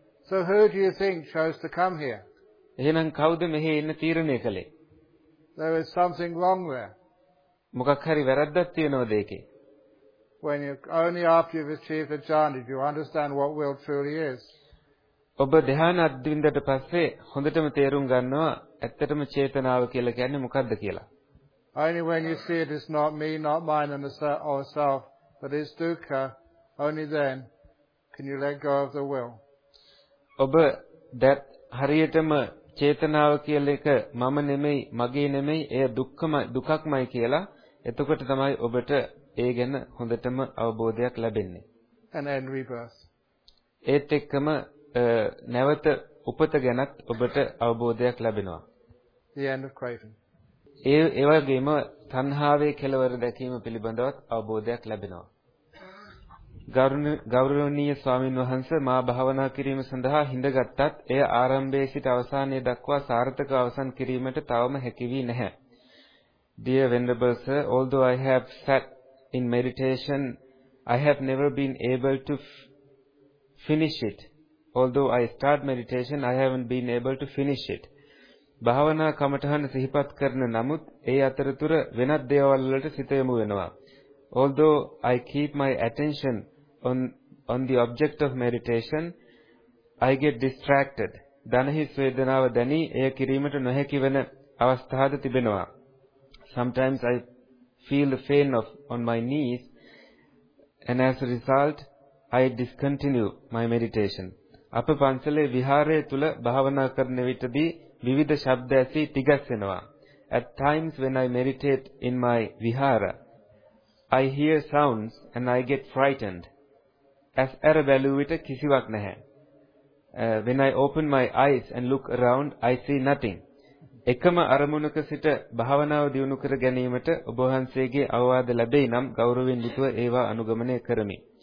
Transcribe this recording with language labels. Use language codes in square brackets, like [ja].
[en] So who do you think chose to come here? [si] එහෙනම් කවුද මෙහෙ ඉන්න තීරණය කළේ? [en] There is something wrong there. [si] මොකක් හරි වැරද්දක් තියෙනවද ඒකේ? [en] When you only after you've achieved the jhana, you understand what will truly is. [si] ඔබ ධ්‍යාන අද්දින්දට පස්සේ හොඳටම තේරුම් ගන්නවා ඇත්තටම චේතනාව කියලා කියන්නේ මොකද්ද කියලා. [en] Only when you see it is not me, not mine and the self, but it's dukkha, only then can you let go of the will. [si] ඔබ දැත් හරියටම චේතනාව කියල එක මම නෙමෙයි මගේ නෙමෙයි එය දුක්කමයි කියලා එතකොට තමයි ඔබට ඒ ගැන හොඳටම අවබෝධයක් ලැබෙන්නේ. [en] And then rebirth. [si] ඒත් එක්කම නැවත උපත ගැනත් ඔබට අවබෝධයක් ලැබෙනවා. [en] The end of craving. [si] ඒ වගේම තණ්හාවේ කෙලවර දැකීම පිළිබඳවත් අවබෝධයක් ලැබෙනවා. ගෞරවනීය ස්වාමීන් වහන්ස මා භාවනා කිරීම සඳහා හිඳගත්ත් එය ආරම්භයේ සිට අවසානයේ දක්වා සාර්ථක අවසන් කිරීමට තවම හැකි වී නැහැ. [en] Dear Venerable Sir, although I have sat in meditation, I have never been able to finish it. Although I start meditation, I haven't been able to finish it. [si] භාවනා කමඨහන සිහිපත් කරන නමුත් ඒ අතරතුර වෙනත් දේවල් වලට සිත යොමු වෙනවා. [en] Although I keep my attention on the object of meditation, I get distracted. [si] දනහිස් වේදනාව දැනී එය කිරීමට නොහැකි වෙන අවස්ථාද තිබෙනවා. [en] Sometimes I feel the pain of on my knees, and as a result, I discontinue my meditation. [si] අප පන්සලේ විහාරය තුල භාවනා කරන විටදී විවිධ ශබ්ද ඇසි තිගස් වෙනවා. [en] At times when I meditate in my vihara, I hear sounds and I get frightened. [si] As ara baluwita kisivak naha. [en] When I open my eyes and look around, I see nothing. [si] එකම අරමුණක සිට භාවනාව දියුණු කර ගැනීමට ඔබ වහන්සේගේ අවවාද ලැබෙයි නම් ගෞරවයෙන් යුතුව ඒවා අනුගමනය කරමි.